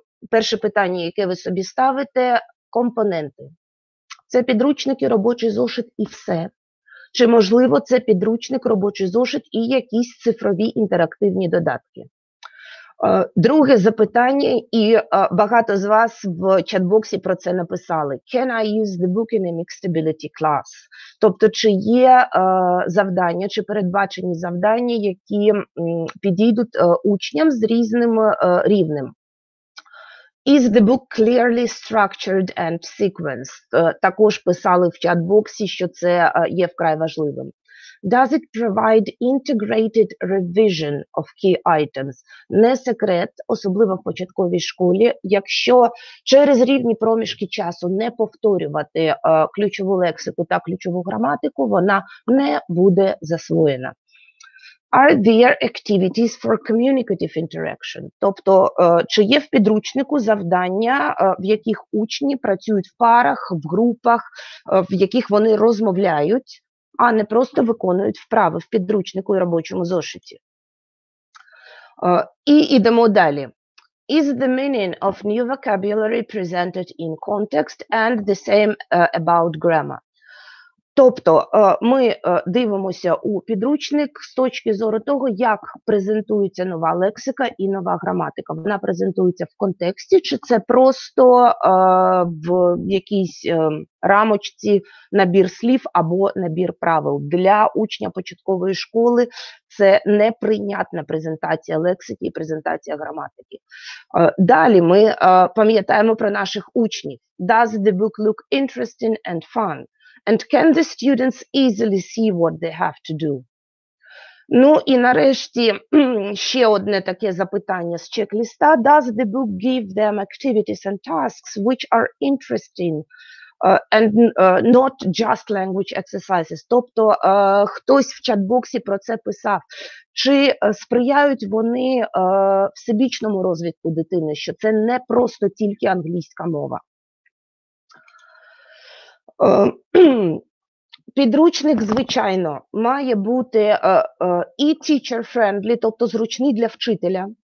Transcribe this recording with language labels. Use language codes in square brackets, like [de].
[uk] Перше питання, яке ви собі ставите – компоненти. Це підручники, робочий зошит і все. Чи, можливо, це підручник, робочий зошит і якісь цифрові інтерактивні додатки. Друге запитання, і багато з вас в чат-боксі про це написали. [en] Can I use the book in a mixability class? [uk] Тобто, чи є завдання, чи передбачені завдання, які підійдуть учням з різним рівнем? [en] Is the book clearly structured and sequenced? [uk] Також писали в чат-боксі, що це є вкрай важливим. [en] Does it provide integrated revision of key items? [uk] Не секрет, особливо в початковій школі, якщо через рівні проміжки часу не повторювати ключову лексику та ключову граматику, вона не буде засвоєна. [en] Are there activities for communicative interaction? [uk] Тобто, чи є в підручнику завдання, в яких учні працюють в парах, в групах, в яких вони розмовляють, а не просто виконують вправи в підручнику і робочому зошиті? І йдемо далі. [en] Is the meaning of new vocabulary presented in context and the same about grammar? [uk] Тобто ми дивимося у підручник з точки зору того, як презентується нова лексика і нова граматика. Вона презентується в контексті, чи це просто в якійсь рамочці набір слів або набір правил. Для учня початкової школи це неприйнятна презентація лексики і презентація граматики. Далі ми пам'ятаємо про наших учнів. [en] Does the book look interesting and fun? And can the students easily see what they have to do? [uk] Ну і нарешті ще одне таке запитання з чек-ліста. [en] Does the book give them activities and tasks which are interesting and not just language exercises? [uk] Тобто хтось в чат-боксі про це писав. Чи сприяють вони всебічному розвитку дитини, що це не просто тільки англійська мова? Підручник, звичайно, має бути і teacher-friendly, тобто зручний для вчителя.